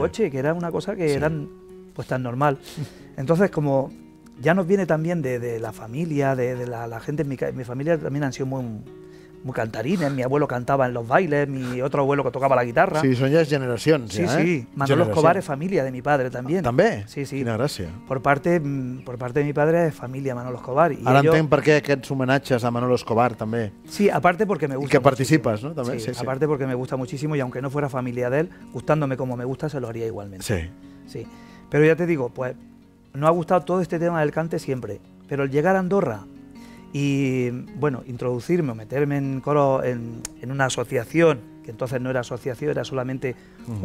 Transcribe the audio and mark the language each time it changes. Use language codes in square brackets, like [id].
[es] coche, que era una cosa que sí. eran pues tan normal. Entonces, como ya nos viene también de la familia, de la, la gente, mi familia también han sido muy, muy cantarines, mi abuelo cantaba en los bailes, mi otro abuelo que tocaba la guitarra. Sí, son ya generación. Sí, ya, sí, Manolo Escobar es familia de mi padre también. ¿También? Sí, sí. [ca] Quina gràcia. [es] Por parte de mi padre es familia Manolo Escobar. [ca] I ara ellos... entenc per què aquests homenatges a Manolo Escobar també. [es] Sí, aparte porque me gusta [ca] I que participes, no? També. [es] Sí, sí, aparte sí. porque me gusta muchísimo y aunque no fuera familia de él, gustándome como me gusta, se lo haría igualmente. Sí. Sí. Pero ya te digo, pues no ha gustado todo este tema del cante siempre, pero al llegar a Andorra y, bueno, introducirme o meterme en coro en una asociación, que entonces no era asociación, era solamente uh-huh.